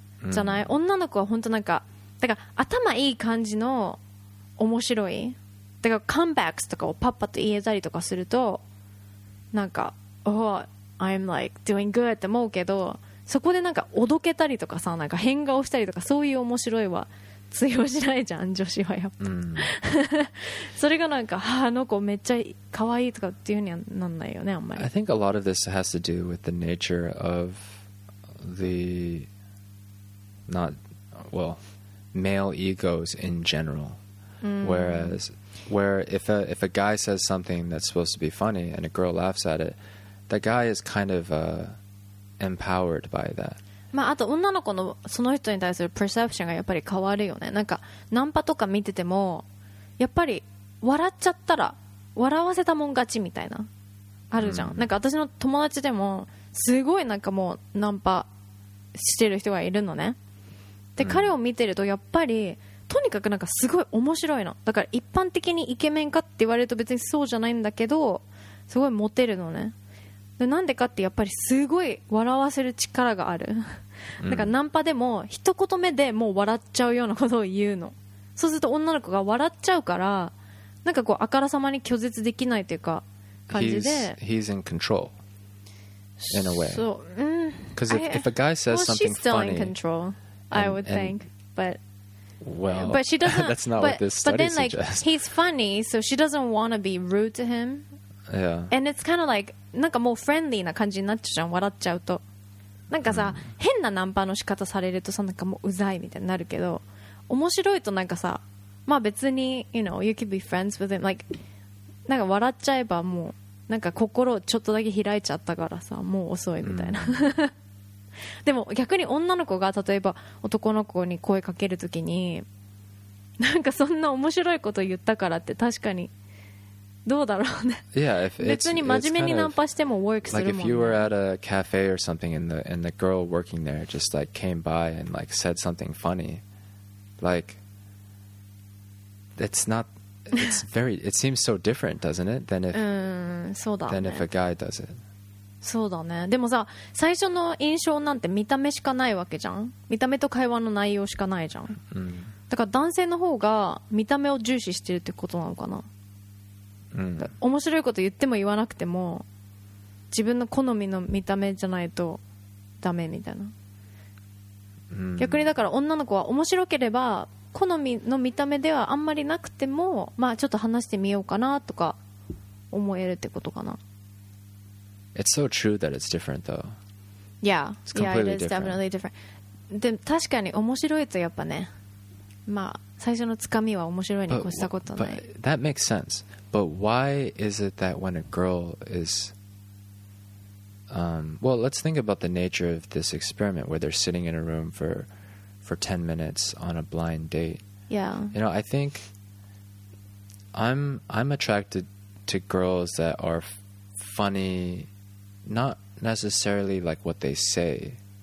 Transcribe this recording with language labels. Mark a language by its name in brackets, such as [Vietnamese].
[Japanese] じゃない、女の子は本当なんかだから頭いい感じの面白い、だからカムバックスとかをパッパと言えたりとかするとなんか [English] Oh, I'm like doing good [Japanese] って思うけど、そこでなんかおどけたりとかさ、なんか変顔したりとか、そういう面白いは通用しないじゃん女子はやっぱ、うん、それがなんかあの子めっちゃ可愛いとかっていうにはなんないよねあんまり。 [English] I think a lot of this has to do with the nature of the not well male egos in general、 [Japanese] うん、 [English] whereas where if a guy says something that's supposed to be funny and a girl laughs at it the guy is kind of、empowered by that。 [Japanese] まあ、あと女の子のその人に対するプレセプションがやっぱり変わるよね。なんかナンパとか見ててもやっぱり笑っちゃったら笑わせたもん勝ちみたいなあるじゃん、うん、なんか私の友達でもすごいなんかもうナンパしてる人がいるのね。で、うん、彼を見てるとやっぱりとにかくなんかすごい面白いの。だから一般的にイケメンかって言われると別にそうじゃないんだけどすごいモテるのね。でなんでかってやっぱりすごい笑わせる力がある、うん、なんかナンパでも一言目でもう笑っちゃうようなことを言うの。そうすると女の子が笑っちゃうからなんかこうあからさまに拒絶できないというか感じで [English] He's in control in a way. [Japanese] そう、 [English] Because、 [Japanese] うん、 [English] if a guy says something funny, she's still in control, I would think, but well, but she doesn't. That's not what this study suggests. But then, suggests. Like, he's funny, so she doesn't want to be rude to him. Yeah. And it's kind of like. [Japanese] なんかもうフレンディーな感じになっちゃうじゃん笑っちゃうと。なんかさ、うん、変なナンパの仕方されるとさなんかもううざいみたいになるけど面白いとなんかさまあ別に [English] you know you can be friends with him like [Japanese] なんか笑っちゃえばもうなんか心ちょっとだけ開いちゃったからさもう遅いみたいな、うん、でも逆に女の子が例えば男の子に声かけるときになんかそんな面白いこと言ったからって確かにどうだろうね。 [English] Yeah, if it's, [Japanese] 別に真面目にナンパしてもワークするもんね。 [English] Like if you were at a cafe or something and the girl working there just like came by and like said something funny, like it's not, it's very, it seems so different, doesn't it? Than if, [Japanese] そうだね。 [English] Than if a guy does it. [Japanese] そうだね。でもさ、最初の印象なんて見た目しかないわけじゃん。見た目と会話の内容しかないじゃん。うん、だから男性の方が見た目を重視してるってことなのかな。うん、面白いこと言っても言わなくても自分の好みの見た目じゃないとダメみたいな、うん、逆にだから女の子は面白ければ好みの見た目ではあんまりなくてもまあちょっと話してみようかなとか思えるってことかな。 [English] It's so true that it's different though. Yeah, it's completely yeah, it is different. Definitely different. [Japanese] で確かに面白いとやっぱねまあ最初のつかみは面白いに越したことない。 [English] But that makes sense. But why is it that when a girl is, well, let's think about the nature of this experiment where they're sitting in a room for 10 minutes on a blind date. Yeah. You know, I think I'm attracted to girls that are funny, not necessarily like what they say.